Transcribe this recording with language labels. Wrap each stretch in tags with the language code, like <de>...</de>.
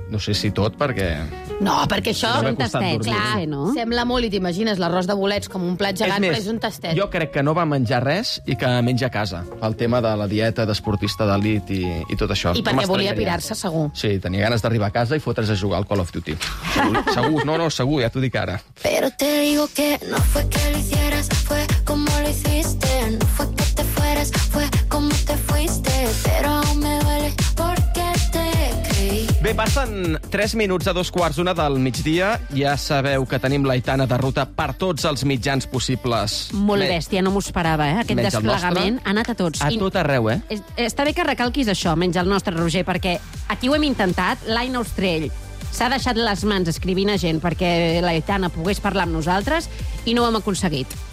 <ca>No sé si tot, perquè... No, perquè això... És un tastet, clar. Sí, no? Sembla molt, i t'imagines, l'arròs de bolets com un plat gegant, però és un tastet. Jo crec que no va menjar res i que menja a casa. El tema de la dieta d'esportista d'elit i tot això. I perquè volia pirar-se, segur. Sí, tenia ganes d'arribar a casa i fotre's a jugar al Call of Duty. Segur, no, no, segur, ja t'ho dic ara.</ca> <es>Pero te digo que no fue que lo hicieras, fue como lo hiciste. No fue que te fueras, fue como te fuiste. Pero aún me duele porque...</es> <ca>Bé, passen 3 minuts a 2:15 del migdia. Ja sabeu que tenim l'Aitana de ruta per tots els mitjans possibles. Molt bèstia, no m'ho esperava, eh? Aquest desplegament ha anat a tots. A tot arreu, eh? Està bé que recalquis això, menys el nostre, Roger, perquè aquí ho hem intentat, l'Aina Ostrell s'ha deixat les mans escrivint a gent perquè l'Aitana pogués parlar amb nosaltres i no ho hem aconseguit.</ca>